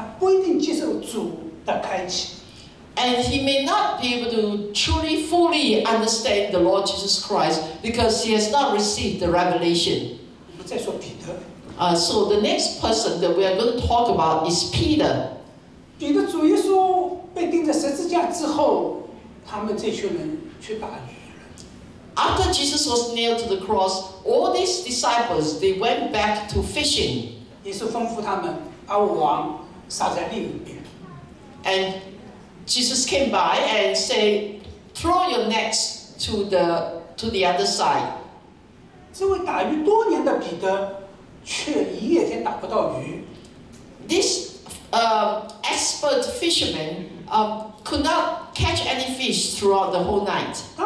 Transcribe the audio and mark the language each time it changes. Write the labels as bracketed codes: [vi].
[zh] 但是他不一定真正的明白这位基督，他不一定接受主的开启。 [en] And he may not be able to truly, fully understand the Lord Jesus Christ because he has not received the revelation. [zh] 我们再说彼得。 [en] So the next person that we are going to talk about is Peter. [zh] 彼得主耶稣被钉在十字架之后, 他们这群人去打鱼了。 [en] After Jesus was nailed to the cross, all these disciples, they went back to fishing. [zh] 耶稣吩咐他们把网撒在另一边。 [en] And Jesus came by and said, throw your nets to the other side. [zh] 这位打鱼多年的彼得却一夜间打不到鱼。 [en] This expert fisherman could not catch any fish throughout the whole night.